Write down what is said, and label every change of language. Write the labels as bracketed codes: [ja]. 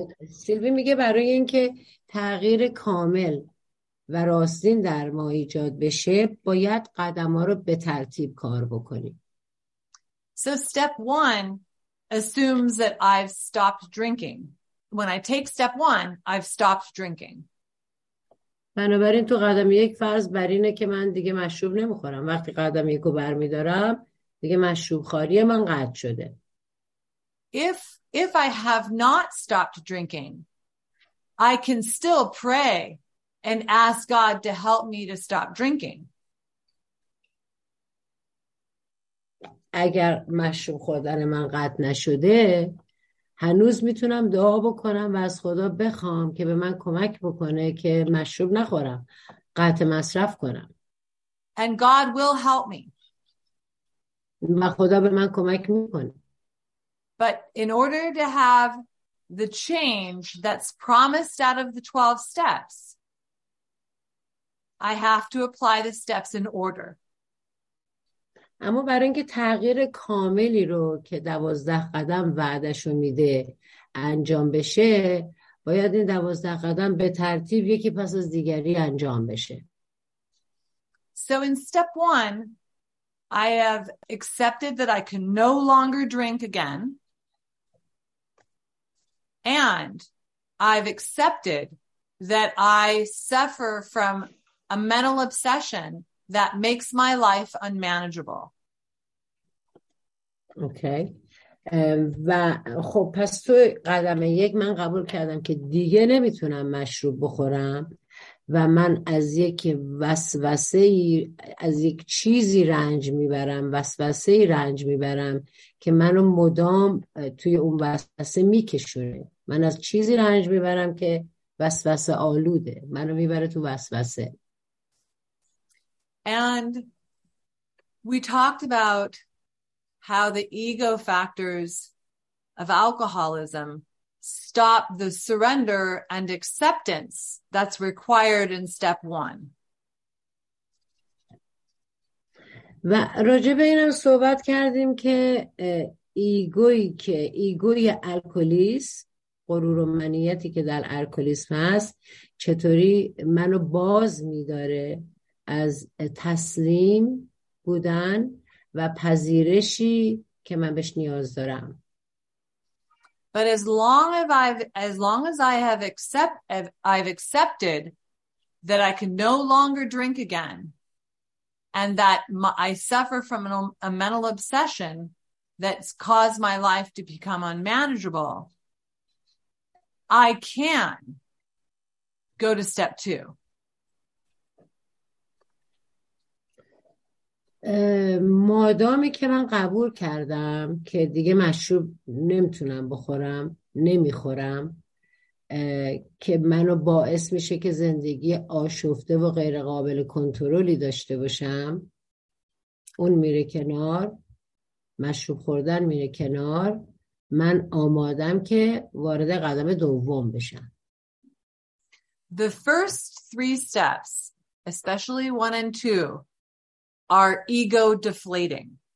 [fa] سیلوی میگه برای اینکه تغییر کامل و راستین در ما ایجاد بشه باید قدم‌ها رو به ترتیب کار بکنیم. [en] So step one assumes that I've stopped drinking. When I take step one, I've stopped drinking. [fa] بنابراین تو قدم یک فرض بر اینه که من دیگه مشروب نمیخورم. وقتی قدم یک رو برمیدارم دیگه مشروب خاری من قطع شده. [en] If I have not stopped drinking, I can still pray and ask God to help me to stop drinking. [fa] اگر مشروب خوردن من قطع نشده هنوز میتونم دعا بکنم و از خدا بخوام که به من کمک بکنه که مشروب نخورم، قطع مصرف کنم. [en] And God will help me. [fa] و خدا به من کمک میکنه. [en] But in order to have the change that's promised out of the 12 steps, I have to apply the steps in order. [fa] اما برای اینکه تغییر کاملی رو که 12 قدم وعدشو میده انجام بشه باید این 12 قدم به ترتیب یکی پس از دیگری انجام بشه. [en] So in step one, I have accepted that I can no longer drink again. And I've accepted that I suffer from a mental obsession that makes my life unmanageable. [fa] اوکی. و خب پس تو قدم یک من قبول کردم که دیگه نمیتونم مشروب بخورم و من از یک وسوسه ای از یک چیزی رنج میبرم، وسوسه ای رنج میبرم که منو مدام توی اون وسوسه میکشونه. من از چیزی رنج میبرم که وسوسه آلوده، منو میبره تو وسوسه. [en] And we talked about how the ego factors of alcoholism stop the surrender and acceptance that's required in step one. [fa] و راجع به اینم صحبت کردیم که ایگوی الکلیس، غرور و منیتی که در الکلیسم هست چطوری منو باز می‌داره از تسلیم بودن و پذیرشی که من بهش نیاز دارم. [en] But as long as I've accepted that I can no longer drink again, and that I suffer from a mental obsession that's caused my life to become unmanageable, I can go to step two. [fa] مادامی که من قبول کردم که دیگه مشروب نمیتونم بخورم، نمیخورم، که منو باعث میشه که زندگی آشفته و غیر قابل کنترلی داشته باشم، اون میره کنار، مشروب خوردن میره کنار، من آمادم که وارد قدم دوم بشم. [en] The first three steps, especially one and two, are ego deflating.